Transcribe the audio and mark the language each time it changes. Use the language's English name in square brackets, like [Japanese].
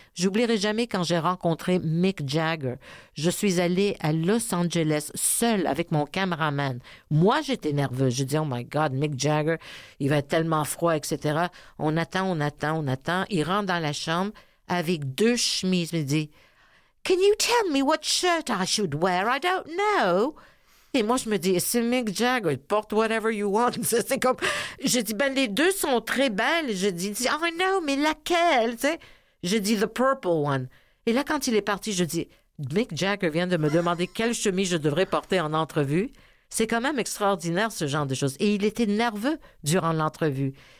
[French] J'oublierai jamais quand j'ai rencontré Mick Jagger. Je suis allée à Los Angeles seule avec mon caméraman. Moi, j'étais nerveuse. Je dis, [English] oh my God, [French] Mick Jagger, il va être tellement froid, etc. On attend. Il rentre dans la chambre avec deux chemises. Il me dit, [English] can you tell me what shirt I should wear? I don't know. [French] Et moi, je me dis, c'est Mick Jagger, porte [English] whatever you want. [French] C'est comme, je dis, ben, les deux sont très belles. Je dis, [English] oh, I know, [French] mais laquelle, tu sais? Je dis, [English] the purple one. [French] Et là, quand il est parti, je dis, Mick Jagger vient de me demander quelle chemise je devrais porter en entrevue. C'est quand même extraordinaire, ce genre de choses. Et il était nerveux durant l'entrevue.